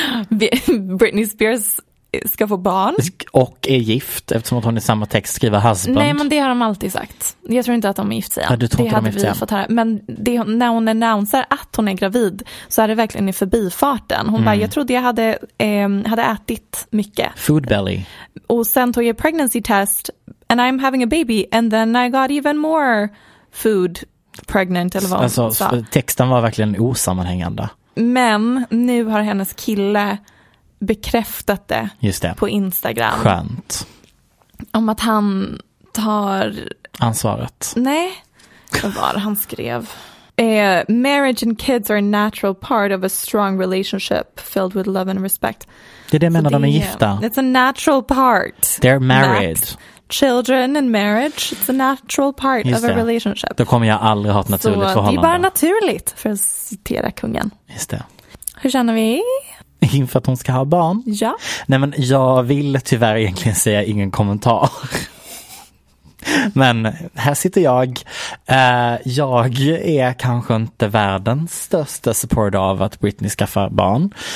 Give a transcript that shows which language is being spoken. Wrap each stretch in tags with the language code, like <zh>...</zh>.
<sv>Okay. Britney Spears ska få barn. Och är gift eftersom hon i samma text skriver husband. Nej, men det har de alltid sagt. Jag tror inte att de är gift sig. Ja, du tror det inte hade de är gift sig. Men det, när hon annonserar att hon är gravid så är det verkligen i förbifarten. Hon bara, jag trodde jag hade ätit mycket.</sv> <en>Food belly.</en> <sv>Och sen tog jag</sv> <en>pregnancy test and I'm having a baby and then I got even more food pregnant.</en> <sv>Eller vad alltså, texten var verkligen osammanhängande. Men nu har hennes kille bekräftat det, just det på Instagram. Skönt. Om att han tar ansvaret. Nej, vad var han skrev?</sv> <en>Marriage and kids are a natural part of a strong relationship filled with love and respect.</en> <sv>Det är det menar de är gifta.</sv> <en>It's a natural part. They're married. Max. Children and marriage, it's a natural part just of det. A relationship.</en> <sv>Då kommer jag aldrig ha ett naturligt så förhållande. Det är bara naturligt, för att citera kungen. Just det. Hur känner vi? Inför att hon ska ha barn? Ja. Nej, men jag vill tyvärr egentligen säga ingen kommentar. Men här sitter jag. Jag är kanske inte världens största supporter av att Britney skaffar barn.</sv>